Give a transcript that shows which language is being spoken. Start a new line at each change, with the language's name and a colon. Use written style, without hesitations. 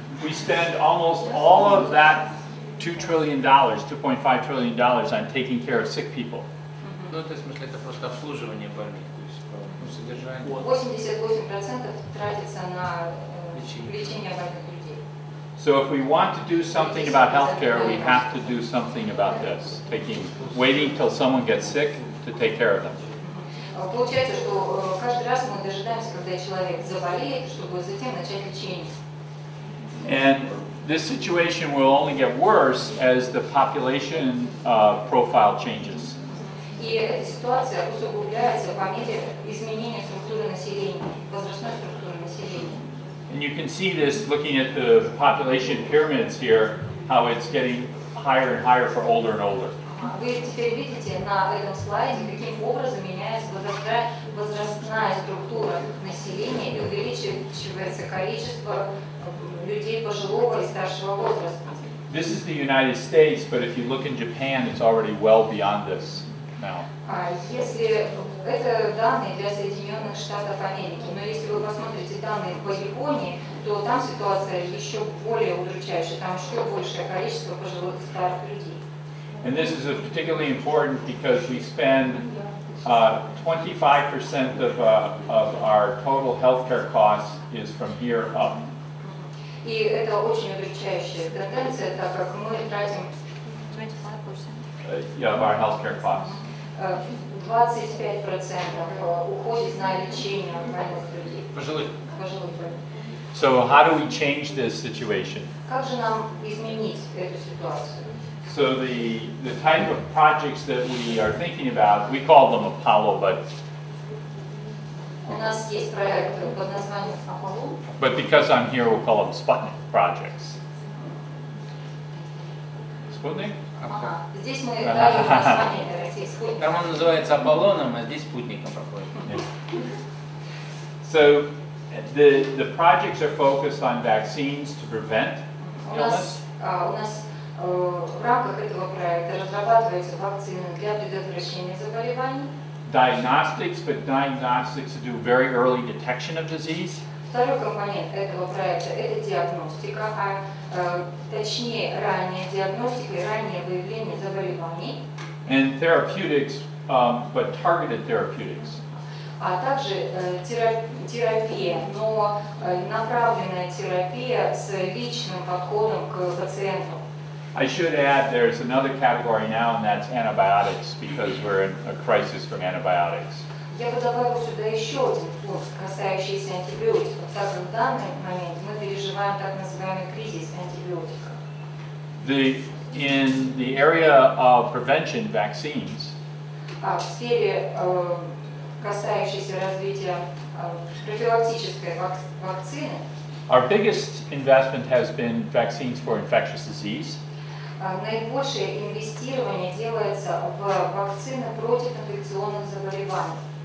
English: We spend almost all of that $2 trillion, $2.5 trillion on taking care of sick people.
Russian: Ну, то есть, в смысле, это просто обслуживание больных, то есть, по содержанию. 88% тратится на лечение больных людей.
English: So if we want to do something about healthcare, we have to do something about this. Taking, waiting till someone gets sick to take care of them.
Russian: Получается, что каждый раз мы дожидаемся, когда человек заболеет, чтобы затем начать лечение.
English: And this situation will only get worse as the population profile changes.
Russian: И эта ситуация усугубляется по мере изменения структуры населения, возрастной структуры населения.
English: And you can see this looking at the population pyramids here, how it's getting higher and higher for older and older.
Russian: Вы теперь видите на этом слайде, каким образом меняется возрастная структура населения и увеличивается количество людей пожилого и старшего возраста.
English: This is the United States, but if you look in Japan, it's already well beyond this now.
Russian: Если это данные для Соединенных Штатов Америки, но если вы посмотрите данные по Японии, то там ситуация еще более удручающая, там еще большее количество пожилых старых людей.
English: And this is particularly important because we spend 25% of our total healthcare costs is from here up.
Russian: И это очень удручающая тенденция, так как мы тратим
English: 25% of our healthcare costs.
Russian: 25% уходит на лечение больных людей. Пожилых.
English: So how do we change this situation?
Russian: Как же нам изменить эту ситуацию?
English: So the type of projects that we are thinking about, we call them Apollo, but...
Russian: У нас есть проект под названием Apollo.
English: But because I'm here, we'll call them Sputnik projects. Sputnik?
Russian: Здесь мы даем название России Sputnik. Там он называется Аполлоном, а здесь Спутником проходит.
English: So the projects are focused on vaccines to prevent illness.
Russian: В рамках этого проекта разрабатываются вакцины для предотвращения заболеваний.
English: Diagnostics, but diagnostics to do very early detection of disease.
Russian: Второй компонент этого проекта – это диагностика, а точнее ранняя диагностика и раннее выявление заболеваний.
English: And therapeutics, but targeted therapeutics.
Russian: А также терапия, но направленная терапия с личным подходом к пациенту.
English: I should add there's another category now, and that's antibiotics, because we're in a crisis for antibiotics.
Russian: Я бы добавил сюда еще один пункт, касающийся антибиотиков. Так, в данный момент мы переживаем так называемый кризис антибиотика.
English: In the area of prevention, vaccines.
Russian: В сфере, касающейся развития профилактической вакцины.
English: Our biggest investment has been vaccines for infectious disease.
Russian: Наибольшее инвестирование делается в вакцины против инфекционных заболеваний.